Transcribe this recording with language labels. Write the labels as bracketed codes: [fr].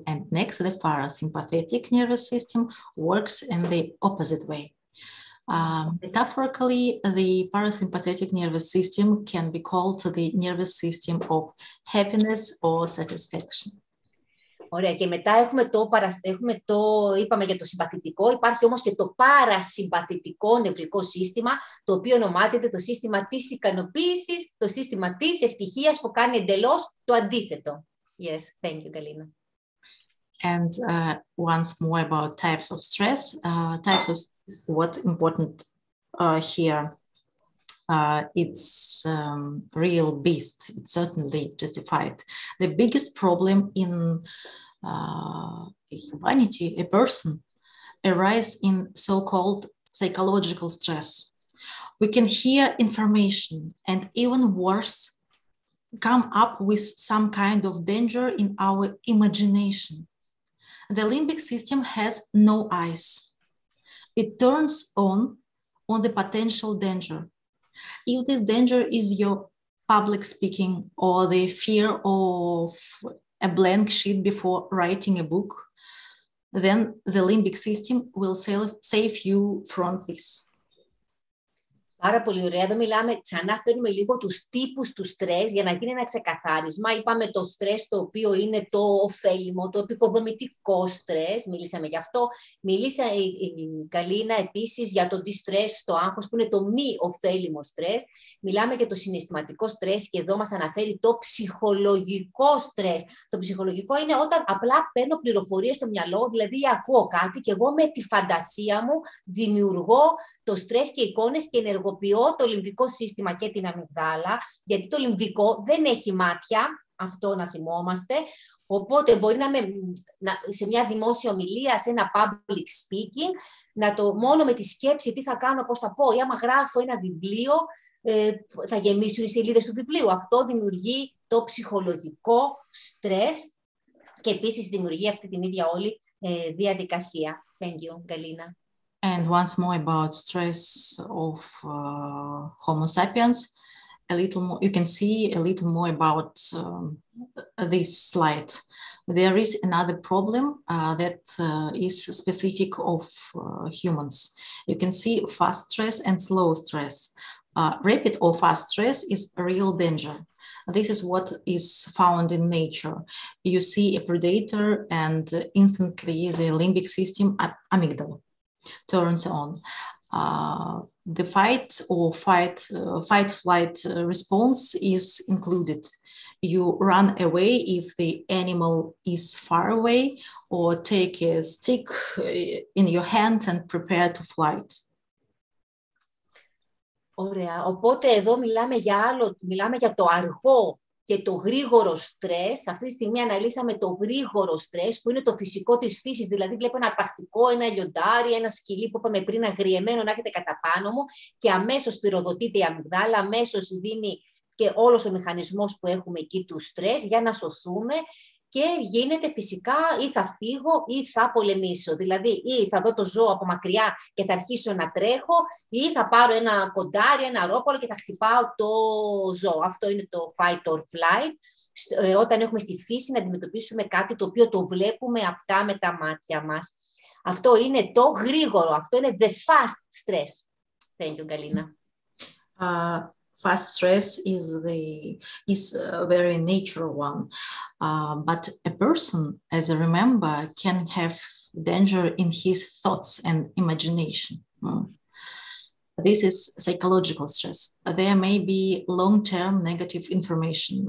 [en] And next, the parasympathetic nervous system works in the opposite way. Metaphorically, the parasympathetic nervous system can be called the nervous system of happiness or satisfaction. [el] Ωραία, και μετά έχουμε το, έχουμε το, είπαμε για το συμπαθητικό, υπάρχει όμως και το παρασυμπαθητικό νευρικό σύστημα, το οποίο ονομάζεται το σύστημα της ικανοποίησης, το σύστημα της ευτυχίας, που κάνει εντελώς το αντίθετο. [en] Yes, thank you, Galina. And once more about types of stress, what's important here, it's real beast, it's certainly justified. The biggest problem in humanity, a person, arises in so-called psychological stress. We can hear information and even worse, come up with some kind of danger in our imagination. The limbic system has no eyes. It turns on the potential danger. If this danger is your public speaking or the fear of a blank sheet before writing a book, then the limbic system will save you from this. [el] Πάρα πολύ ωραία. Εδώ μιλάμε, ξανά φέρνουμε λίγο τους τύπους του στρες για να γίνει ένα ξεκαθάρισμα. Είπαμε το στρες το οποίο είναι το ωφέλιμο, το επικοδομητικό στρες. Μιλήσαμε γι' αυτό. Μιλήσαμε, Καλίνα, επίσης για το distress, το άγχος που είναι το μη ωφέλιμο στρες. Μιλάμε για το συναισθηματικό στρες και εδώ μας αναφέρει το ψυχολογικό στρες. Το ψυχολογικό είναι όταν απλά παίρνω πληροφορίες στο μυαλό, δηλαδή ακούω κάτι και εγώ με τη φαντασία μου δημιουργώ το στρες και εικόνες και ενεργοποιώ το λιμβικό σύστημα και την αμυγδάλα, γιατί το λιμβικό δεν έχει μάτια, αυτό να θυμόμαστε. Οπότε μπορεί να με, να, σε μια δημόσια ομιλία, σε ένα public speaking, να το μόνο με τη σκέψη τι θα κάνω, πώς θα πω, ή άμα γράφω ένα βιβλίο, θα γεμίσουν οι σελίδες του βιβλίου. Αυτό δημιουργεί το ψυχολογικό στρες και επίσης δημιουργεί αυτή την ίδια όλη διαδικασία. [en] Thank you, Galina. And once more about stress of Homo sapiens, a little more, you can see a little more about this slide. There is another problem that is specific of humans. You can see fast stress and slow stress. Rapid or fast stress is a real danger. This is what is found in nature. You see a predator and instantly the limbic system, amygdala, turns on. The fight flight response is included. You run away if the animal is far away, or take a stick in your hand and prepare to flight. [el] Ωραία. Οπότε εδώ μιλάμε για άλλο, μιλάμε για το αργό και το γρήγορο στρες. Αυτή τη στιγμή αναλύσαμε το γρήγορο στρες, που είναι το φυσικό της φύσης. Δηλαδή βλέπω ένα αρπακτικό, ένα λιοντάρι, ένα σκυλί που είπαμε πριν αγριεμένο να έχετε κατά πάνω μου και αμέσως πυροδοτείται η αμυγδάλα, αμέσως δίνει και όλος ο μηχανισμός που έχουμε εκεί του στρες για να σωθούμε και γίνεται φυσικά ή θα φύγω ή θα πολεμήσω. Δηλαδή ή θα δω το ζώο από μακριά και θα αρχίσω να τρέχω ή θα πάρω ένα κοντάρι, ένα ρόπολο και θα χτυπάω το ζώο. Αυτό είναι το fight or flight. Όταν έχουμε στη φύση να αντιμετωπίσουμε κάτι το οποίο το βλέπουμε αυτά με τα μάτια μας. Αυτό είναι το γρήγορο. Αυτό είναι [en] the fast stress. Thank you, Galina. Fast stress is the is a very natural one, but a person, as I remember, can have danger in his thoughts and imagination. This is psychological stress. There may be long-term negative information.